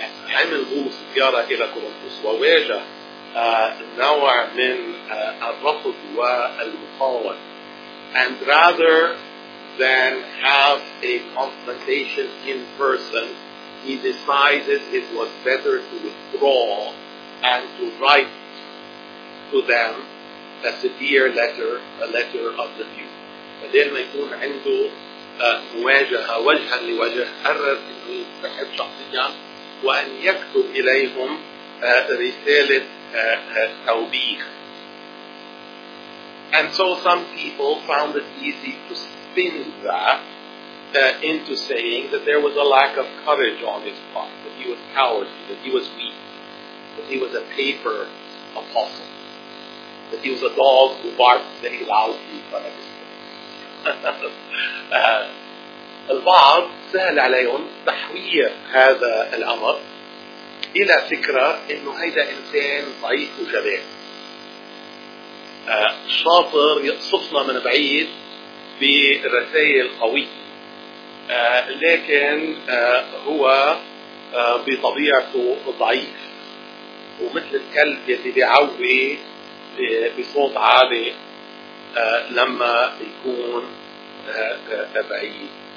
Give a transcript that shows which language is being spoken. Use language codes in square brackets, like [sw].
[ar] عمل غوص زيارة إلى كورنثوس وواجه نوع من الرفض والمقاومة. [en] And rather than have a confrontation in person, he decided it was better to withdraw and to write to them a severe letter, a letter of rebuke. [ar] بدل ما يكون عنده مواجهة وجها لوجه، قرر أنه يتحب شخصيا وأن يكتب إليهم رسالة توبيخ. [en] And so some people found it easy to spin that into saying that there was a lack of courage on his part, that he was cowardly, that he was weak, that he was a paper apostle, that he was a dog who barked very loudly in front of his face. [ar] البعض سهل عليهم تحوير هذا الأمر إلى فكرة إنه هذا إنسان ضعيف وجبان، شاطر يقصفنا من بعيد برسائل قوية، لكن هو بطبيعته ضعيف ومثل الكلب يلي بيعوي بصوت عالي لما يكون بعيد.